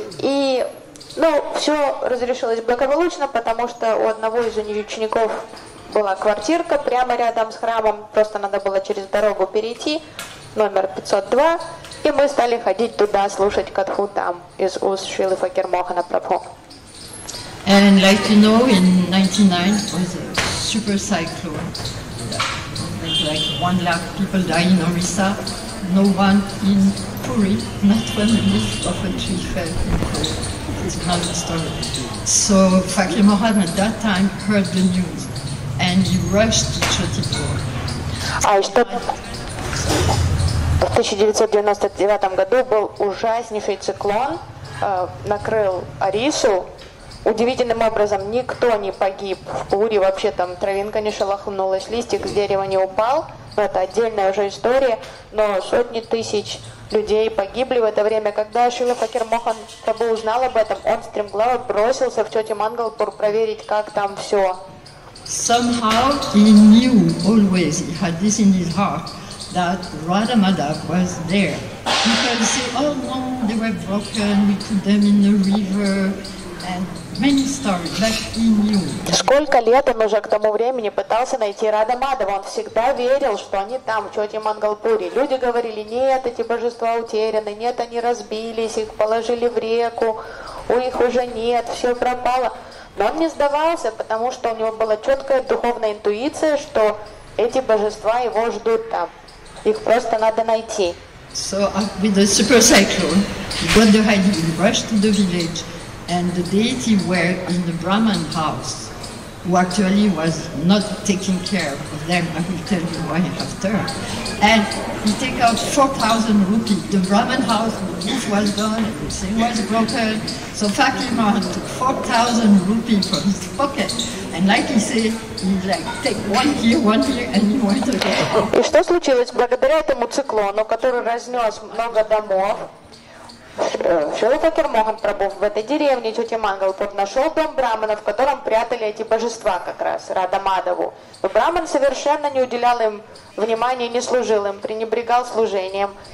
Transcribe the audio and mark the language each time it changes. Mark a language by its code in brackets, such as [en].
[ru] И все разрешилось благополучно, потому что у одного из учеников была квартирка прямо рядом с храмом, просто надо было через дорогу перейти, номер 502. И мы стали ходить туда, слушать катху там из уст Шрилы Факир Мохана Прабху. [en] And like you know, in 1999 was a super cyclone. Like 1 lakh people died in Orissa, no one in Puri, not one leaf of a tree fell in Puri. It's another story. So Fakir Mohan at that time heard the news and he rushed to Chhatipur. [ru] В 1999 году был ужаснейший циклон, накрыл Орису. Удивительным образом никто не погиб в Пури, вообще там травинка не шелохнулась, листик с дерева не упал. Это отдельная уже история, но сотни тысяч людей погибли в это время. Когда Шрила Факир Мохан Прабху узнал об этом, он стремглав бросился в Чоти Мангалпур проверить, как там все. [en] Somehow he knew always, he had this in his heart. That Radha Madhav was there. People say, oh no, they were broken, we put them in the river, and many stories, but he knew. [ru] Сколько лет он уже к тому времени пытался найти Радха Мадхава, он всегда верил, что они там, в Чоти Мангалпуре. Люди говорили, нет, эти божества утеряны, нет, они разбились, их положили в реку, у них уже нет, все пропало. Но он не сдавался, потому что у него была четкая духовная интуиция, что эти божества его ждут там. Их просто надо найти. [en] So with the super cyclone, he got the idea, he rushed to the village, and the deity were in the Brahman house, who actually was not taking care of them. I will tell you why after. And he take out 4,000 rupees. The Brahman house, the roof was done, everything was broken. So Fakir Mohan took 4,000 rupees from his pocket. And like he said, he like take one here, and he went again. [ru] И что случилось? Благодаря этому циклону, который разнес много домов, Шрила Факир Мохан Прабху в этой деревне Чоти Мангалпур нашел дом брахмана, в котором прятали эти божества как раз, Радха Мадхаву. Но брахман совершенно не уделял им внимания, не служил им, пренебрегал служением.